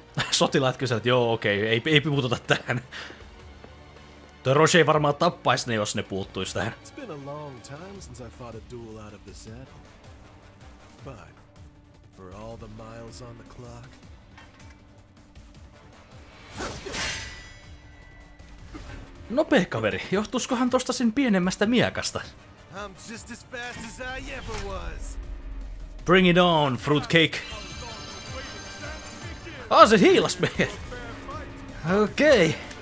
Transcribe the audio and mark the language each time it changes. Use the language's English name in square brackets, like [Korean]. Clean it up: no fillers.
[Finnish] Sotilaat kysyvät, joo, okei, ei puututa tähän. Toi Roche ei varmaan tappaisi ne, jos ne puuttuisi tähän. [English] It's been a long time since I fought a duel out of the saddle. But, for all the miles on the clock... [Finnish] Nopee, kaveri, johtuskohan tosta sen pienemmästä miekasta? [English] I'm just as fast as I ever was. Bring it on, fruitcake! [Finnish] Ah, se hiilas meidät! Okei!